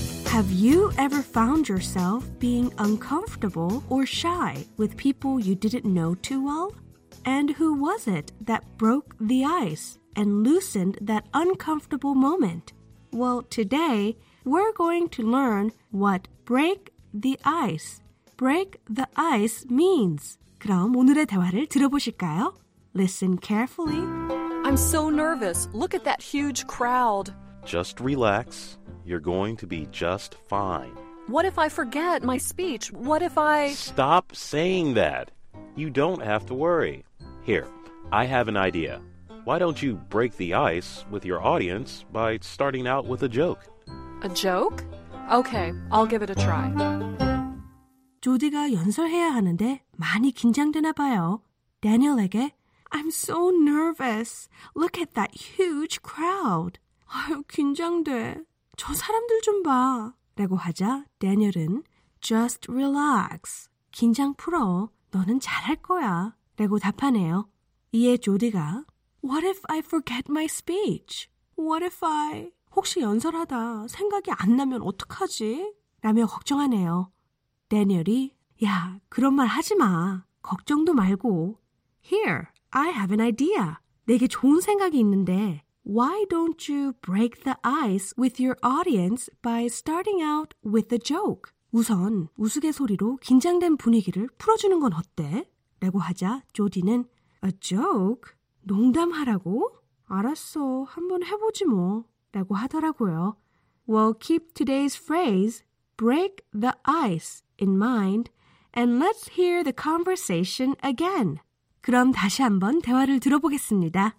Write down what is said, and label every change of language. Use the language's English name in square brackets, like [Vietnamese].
[English] Have you ever found yourself being uncomfortable or shy with people you didn't know too well? And who was it that broke the ice and loosened that uncomfortable moment? Well, today, we're going to learn what break the ice means. [Korean] 그럼 오늘의 대화를 들어보실까요? [English] Listen carefully. I'm so nervous. Look at that huge crowd. Just relax. You're going to be just fine. What if I forget my speech? What if I... Stop saying that. You don't have to worry. Here, I have an idea. Why don't you break the ice with your audience by starting out with a joke? A joke? Okay, I'll give it a try. [Korean] 조디가 연설해야 하는데 많이 긴장되나 봐요. 다니엘에게, [English] I'm so nervous. Look at that huge crowd. [Korean] 아유, 긴장돼. 저 사람들 좀 봐. 라고 하자 다니엘은, [English] Just relax. [Korean] 긴장 풀어. 너는 잘할 거야. 라고 답하네요. 이에 조디가 [English] What if I forget my speech? What if I... [Korean] 혹시 연설하다 생각이 안 나면 어떡하지? 라며 걱정하네요. 다니엘이 야, 그런 말 하지 마. 걱정도 말고 [English] Here, I have an idea. [Korean] 내게 좋은 생각이 있는데 [English] Why don't you break the ice with your audience by starting out with a joke? [Korean] 우선 우스갯소리로 긴장된 분위기를 풀어주는 건 어때? 라고 하자 조디는 [English] A joke? [Korean] 농담하라고? 알았어, 한번 해보지 뭐. 라고 하더라고요. [English] Well, keep today's phrase, break the ice, in mind, and let's hear the conversation again. [Korean] 그럼 다시 한번 대화를 들어보겠습니다.